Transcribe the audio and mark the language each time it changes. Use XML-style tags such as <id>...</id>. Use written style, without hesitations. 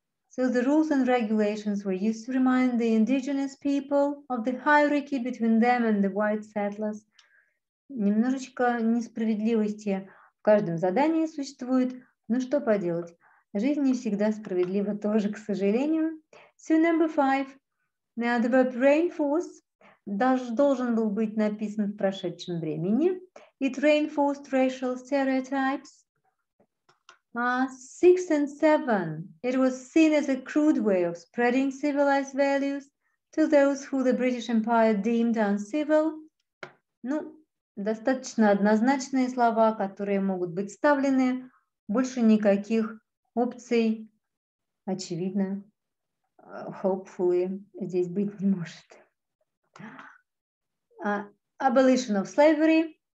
<en>So the rules and regulations were used to remind the indigenous people of the hierarchy between them and the white settlers.</en> <ru>Немножечко несправедливости в каждом задании существует. Но что поделать? Жизнь не всегда справедлива тоже, к сожалению.</ru> <en>So number five. Now the verb reinforce</en> <ru>должен был быть написан в прошедшем времени.</ru> <en>It reinforced racial stereotypes. Six and seven. It was seen as a crude way of spreading civilized values to those who the British Empire deemed uncivil.</en> <ru>Ну, достаточно однозначные слова, которые могут быть вставлены. Больше никаких опций, очевидно, hopefully, здесь быть не может.</ru> <en>Abolition of slavery.</en>